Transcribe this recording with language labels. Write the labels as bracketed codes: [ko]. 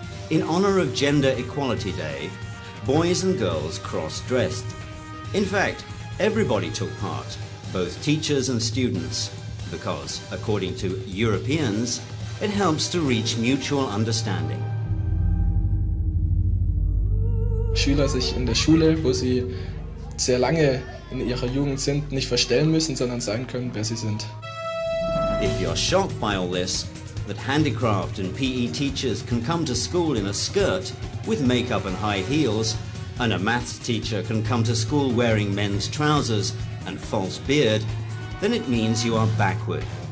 [en] In honor of Gender Equality Day, boys and girls cross-dressed. In fact, everybody took part, both teachers and students, because, according to Europeans, it helps to reach mutual understanding. [de] Schüler sich in der Schule, wo sie sehr lange in ihrer Jugend sind, nicht verstellen müssen, sondern sein können, wer sie sind. [en] If you're shocked by all this, that handicraft and PE teachers can come to school in a skirt with makeup and high heels, and a maths teacher can come to school wearing men's trousers and false beard, then it means you are backward.